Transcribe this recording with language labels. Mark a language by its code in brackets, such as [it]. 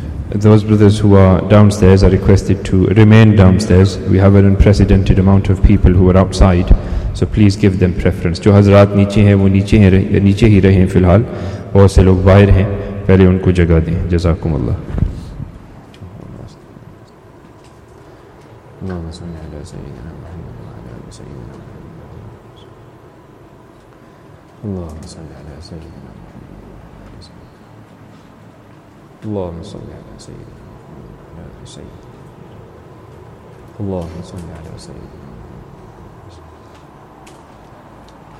[en] Those brothers who are downstairs are requested to remain downstairs. We have an unprecedented amount of people who are outside, so please give them preference. [ur] جو حضرات نیچے ہیں وہ نیچے ہی رہے ہیں فی الحال، اور سے لوگ باہر ہیں، پہلے ان کو جگہ دیں۔ [ar] Jazakum Allah. اللهم صل على سيدنا محمد وعلى آل سيدنا محمد. اللهم صل على سيدنا محمد.